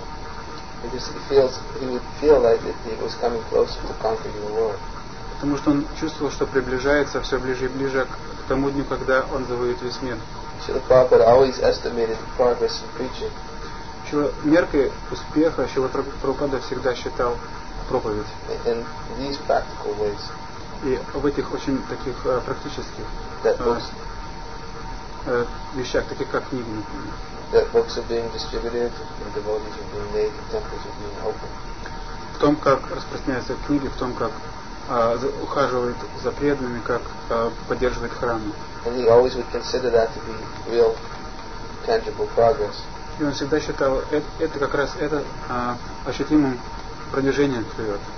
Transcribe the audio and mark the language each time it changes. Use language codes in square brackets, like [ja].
[en] He would feel like it was coming closer to conquering the world. [ru] Потому что он чувствовал, что приближается все ближе и ближе к тому дню, когда он завоюет весь мир. [en] Srila Prabhupada always estimated the progress in preaching. [ru] Меркой успеха Srila Prabhupada всегда считал проповедь. [en] In these practical ways. [ru] И в этих очень таких практических вещах, таких как книги, например. [en] That books are being distributed and devotees are being made and temples are being opened. [ru] В том, как распространяются книги, в том, как ухаживает за преданными, как поддерживает храмы. [en] And he always would consider that to be real, tangible progress. [ru] И он всегда считал это как раз это ощутимым продвижением вперед.